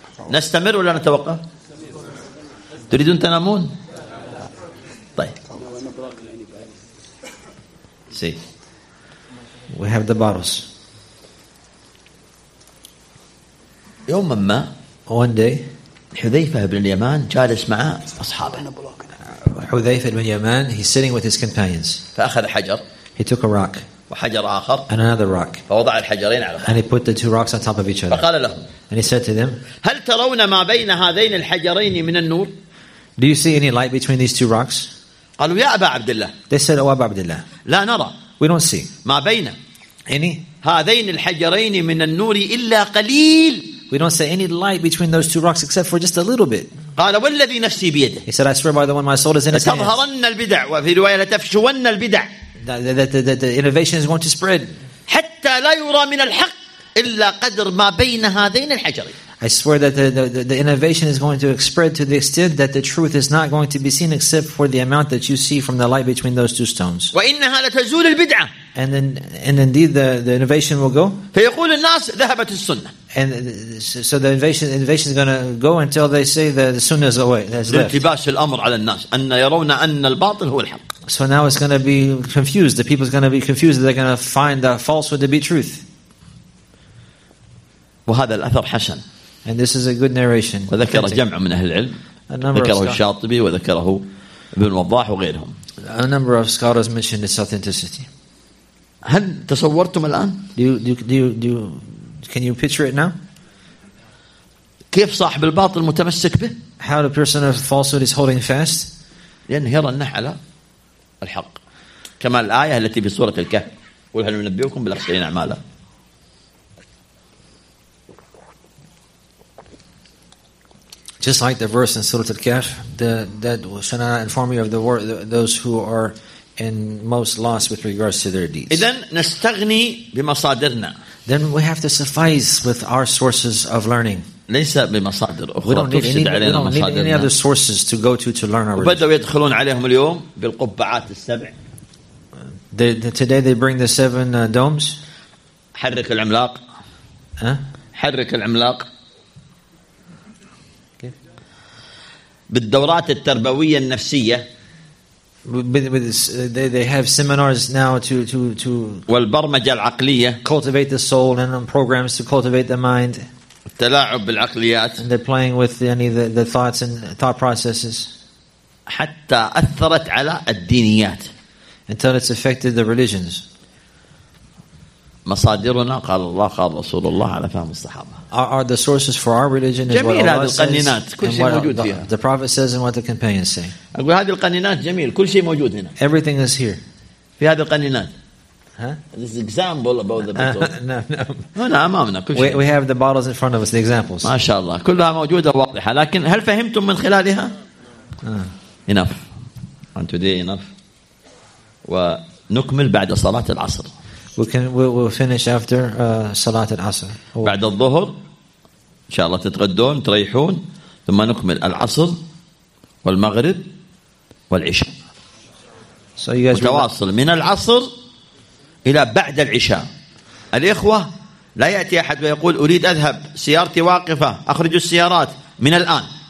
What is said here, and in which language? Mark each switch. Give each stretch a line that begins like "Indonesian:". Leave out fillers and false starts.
Arabic: نستمر ولا نتوقف؟ تريدون تنامون؟ طيب.
English: See. We have the bottles.
Arabic: يوم ما.
English: One day.
Arabic: حذيفة بن اليمان جالس مع أصحابه.
English: حذيفة بن اليمان, he's sitting with his companions.
Arabic: فأخذ حجر.
English: He took a rock.
Arabic: وحجر آخر.
English: And another rock.
Arabic: فوضع الحجرين على.
English: And he put the two rocks on top of each other.
Arabic: فقال لهم.
English: And he said to them.
Arabic: هل ترون ما بين هذين الحجرين من النور؟
English: Do you see any light between these two rocks?
Arabic: قالوا يا أبا عبد الله.
English: They said, oh, أبا عبد الله.
Arabic: لا نرى.
English: We don't see.
Arabic: ما بين.
English: Any.
Arabic: هذين الحجرين من النور إلا قليل.
English: We don't see any light between those two rocks except for just a little bit.
Arabic: قال والذي نفسي بيده.
English: He said, I swear by the one my soul is in his hands.
Arabic: تظهرن البدع وفي رواية تفشون البدع.
English: That the innovation is going to spread.
Arabic: حتى لا يرى من الحق إلا قدر ما بين هذين الحجرين.
English: I swear that the innovation is going to spread to the extent that the truth is not going to be seen except for the amount that you see from the light between those two stones.
Arabic: وإنها لتزول البدعة.
English: And indeed the innovation will go.
Arabic: فيقول الناس ذهبت السنة.
English: And so the invasion is going to go until they say the sunnah is away.
Arabic: لارتباش الأمر على الناس أن يرون أن الباطل هو الحق.
English: So now it's going to be confused. The people is going to be confused. They're going to find the falsehood to be truth.
Arabic: وهذا الأثر حسن.
English: And this is a good narration.
Arabic: وذكر جمع من أهل العلم. ذكره الشاطبي وذكره ابن وضاح وغيرهم.
English: A number of scholars mentioned its authenticity.
Arabic: هل تصورتم الآن؟
English: Do you can you picture it now?
Arabic: كيف صاحب الباطل متمسك به؟
English: How the person of falsehood is holding fast?
Arabic: لأنه يرى أنه على الحق. كما الآية التي في سورة الكهف. قل هل ننبئكم بالأخسرين أعمالا.
English: Just like the verse in Surah Al-Kahf, that shall not inform you of those who are in most loss with regards to their deeds.
Arabic: إذن نستغني بمصادرنا.
English: Then we have to suffice with our sources of learning.
Arabic: ليس بمصادر أخرى.
English: We don't need any other sources to go to learn our religion.
Arabic: وبدأوا يدخلون عليهم اليوم بالقبعات السبع.
English: Today they bring the seven domes.
Arabic: حرك العملاق. حرك العملاق. بالدورات التربوية النفسية.
English: They have seminars now to
Arabic: والبرمجة العقلية.
English: Cultivate the soul and programs to cultivate the mind.
Arabic: التلاعب بالعقليات.
English: And they're playing with the thoughts and thought processes.
Arabic: حتى أثرت على الدينيات.
English: Until it's affected the religions.
Arabic: مصادرنا قال الله قال رسول الله على فهم الصحابة.
English: Are the sources for our religion is what Allah says and what the Prophet says and what the companions say.
Arabic: أقول هذه القنينات جميل كل شيء موجود هنا.
English: Everything is here.
Arabic: في هذه القنينات. Huh?
English: This is example about the bottles.
Arabic: No. هنا أمامنا كل شيء.
English: We have the bottles in front of us, the examples.
Arabic: ما شاء الله كلها موجودة واضحة لكن هل فهمتم من خلالها؟ Enough.
English: And today enough.
Arabic: ونكمل بعد صلاة العصر.
English: We'll finish after Salat al-Asr.
Arabic: بعد الظهر إن شاء الله تتغدون تريحون ثم نكمل العصر والمغرب والعشاء.
English: So you guys
Arabic: متواصل من العصر إلى بعد العشاء. الإخوة لا يأتي أحد ويقول أريد أذهب سيارتي واقفة أخرجوا السيارات من الآن.